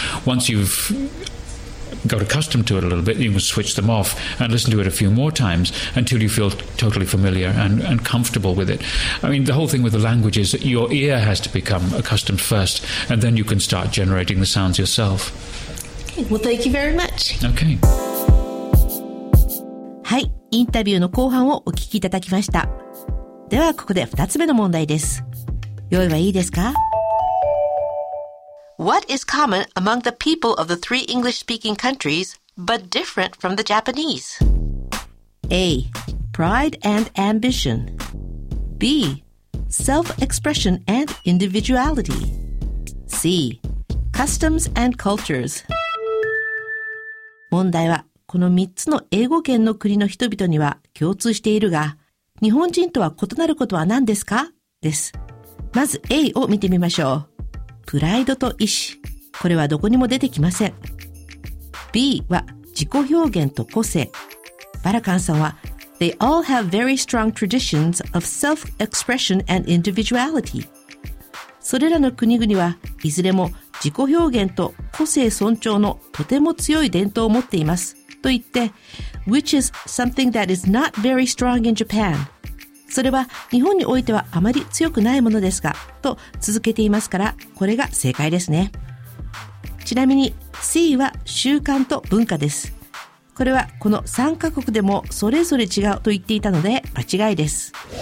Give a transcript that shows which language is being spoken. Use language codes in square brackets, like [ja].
[en] Once you've got accustomed to it a little bit, you can switch them off and listen to it a few more times until you feel totally familiar and comfortable with it. I mean, the whole thing with the language is that your ear has to become accustomed first, and then you can start generating the sounds yourself. Okay, well, thank you very much. Okay. [ja] はい、インタビューの後半をお聞きいただきました。ではここで2つ目の問題です。用意はいいですか？ [en] What is common among the people of the three English-speaking countries, but different from the Japanese? A. Pride and ambition. B. Self-expression and individuality. C. Customs and cultures. [ja] 問題は、この3つの英語圏の国の人々には共通しているが、日本人とは異なることは何ですか？です。まず A を見てみましょう。プライドと意志、これはどこにも出てきません。 B は自己表現と個性。バラカンさんは [en] They all have very strong traditions of self-expression and individuality. [ja] それらの国々はいずれも自己表現と個性尊重のとても強い伝統を持っていますと言って、 [en] Which is something that is not very strong in Japan. [ja] それは日本においてはあまり強くないものですがと続けていますから、これが正解ですね。ちなみに C は習慣と文化です。これはこの3カ国でもそれぞれ違うと言っていたので間違いです。